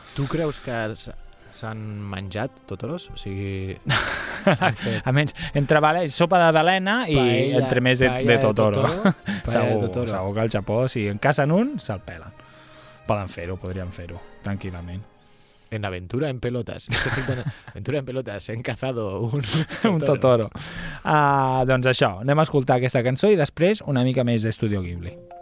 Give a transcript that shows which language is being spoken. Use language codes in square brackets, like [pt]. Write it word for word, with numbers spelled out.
[ca] Tu creus que s'han menjat Totoros? O sigui... A menys, entre bale, sopa de balena i paella, entre més de, de Totoro. De Totoro. Segur, de Totoro. Segur que al Japó, si en cacen un, se'l pelen. Poden fer-ho, podrien fer-ho, tranquil·lament. [es] En aventura en pelotas. Aventura en pelotas, he cazado un Totoro. [ca] Un Totoro. Uh, doncs això, anem a escoltar aquesta cançó i després una mica més d'Estudio Ghibli.